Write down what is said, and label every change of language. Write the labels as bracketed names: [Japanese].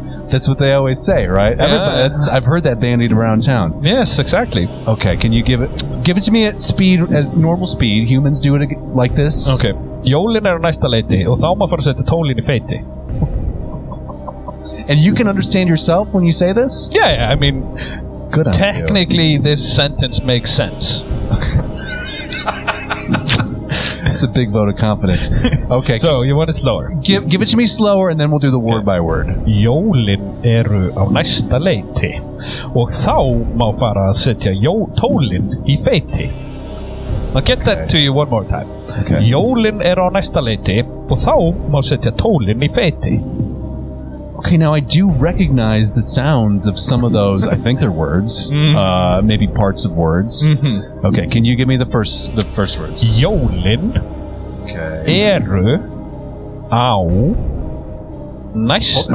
[English] That's what they always say, right? Yeah. I've heard that bandied around town. Yes, exactly. Okay, can you give it to me at speed, at normal speed? Humans do it like this. Okay. [Icelandic] Jólin á næsta leiti og þá má setja tólin í beiti. [English] And you can understand yourself when you say this? Yeah, I mean, good. Technically, this sentence makes sense. That's a big vote of confidence. Okay. So, you want it slower? Give it to me slower, and then we'll do the word by word. [Icelandic] Jólin eru á næsta leiti, og þá má fara að setja tólin í beiti. [English] I'll get that to you one more time. Okay. [Icelandic] Jólin eru á næsta leiti, og þá má setja tólin í beiti. [English] Okay, now I do recognize the sounds of some of those. I think they're words, maybe parts of words. Mm-hmm. Okay, can you give me the first words? [Icelandic] Jólin eru á næsta.